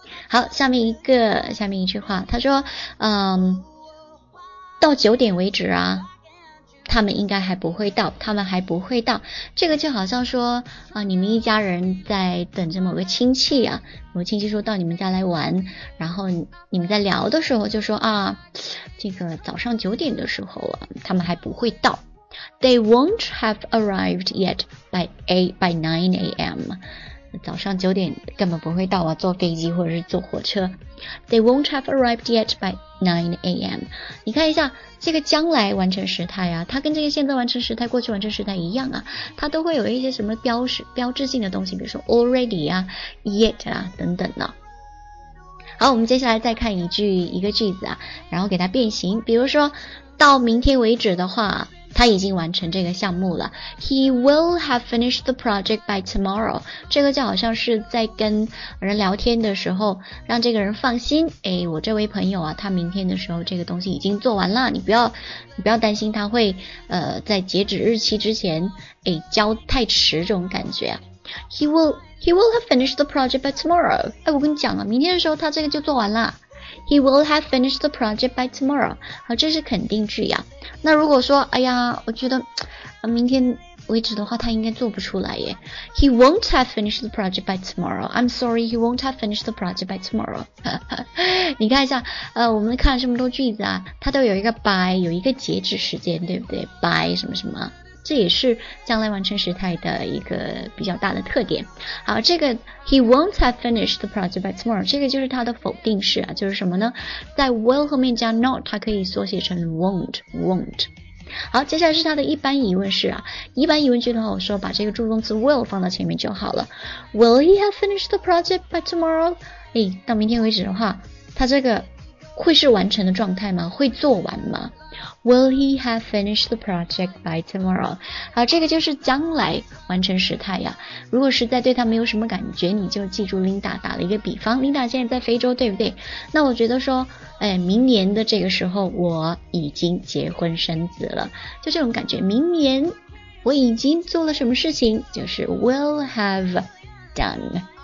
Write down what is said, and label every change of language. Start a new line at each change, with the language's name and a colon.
Chinese: 好，下面一句话，他说到9点为止啊，他们应该还不会到，他们还不会到。这个就好像说啊，你们一家人在等着某个亲戚啊，某个亲戚说到你们家来玩，然后你们在聊的时候就说啊，这个早上9点的时候啊，他们还不会到。
English: They won't have arrived yet by 9 a.m.
Chinese: 早上9点根本不会到啊，坐飞机或者是坐火车。
English: They won't have arrived yet by 9 a.m.
Chinese: 你看一下这个将来完成时态啊，它跟这个现在完成时态、过去完成时态一样啊，它都会有一些什么标志性的东西，比如说 already 啊、yet 啊等等呢、啊。好，我们接下来再看一个句子啊，然后给它变形，比如说到明天为止的话，他已经完成这个项目了。
English: He will have finished the project by tomorrow.
Chinese: 这个就好像是在跟人聊天的时候，让这个人放心。哎，我这位朋友啊，他明天的时候这个东西已经做完了，你不要担心他会在截止日期之前哎交太迟这种感觉。
English: He will have finished the project by tomorrow.
Chinese: 哎，我跟你讲啊，明天的时候他这个就做完了。
English: He will have finished the project by tomorrow.
Chinese: 好，这是肯定句呀。那如果说，哎呀，我觉得，明天为止的话，他应该做不出来耶。
English: He won't have finished the project by tomorrow. I'm sorry, he won't have finished the project by tomorrow.
Chinese: 你看一下，我们看了这么多句子啊，它都有一个 by， 有一个截止时间，对不对 ？by 什么什么，这也是将来完成时态的一个比较大的特点。好，这个 he won't have finished the project by tomorrow，这个就是它的否定式啊，就是什么呢？在 will 后面加 not， 它可以缩写成 won't。好，接下来是它的一般疑问式啊，一般疑问句的话，我说把这个助动词 will 放到前面就好了。
English: Will he have finished the project by tomorrow？
Chinese: 哎，到明天为止的话，它这个会是完成的状态吗？会做完吗？
English: Will he have finished the project by tomorrow?
Chinese: 好，这个就是将来完成时态呀。如果实在对他没有什么感觉，你就记住 Linda 打了一个比方。 Linda 现在在非洲，对不对？那我觉得说，哎，明年的这个时候我已经结婚生子了，就这种感觉。明年我已经做了什么事情，就是 will have done。